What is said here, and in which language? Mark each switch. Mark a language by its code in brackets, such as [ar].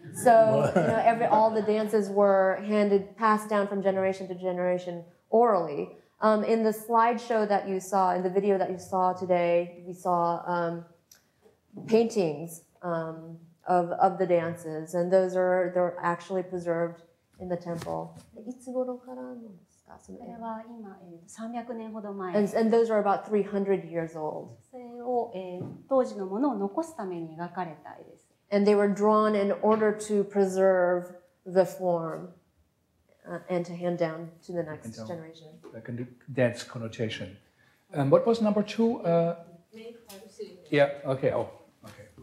[en] So, you know, all the dances were passed down from generation to generation orally. In the slideshow that you saw, in the video that you saw today, we saw paintings of the dances, and those are they're actually preserved in the temple. [ja] いつ頃からなんですか？それは今、300年ほど前。 [en] And those are about 300 years old. [ja] それを、当時のものを残すために描かれた絵です。 [en] And they were drawn in order to preserve the form. And to hand down to the next generation. That's connotation. What was number two? Yeah, okay. Oh, okay.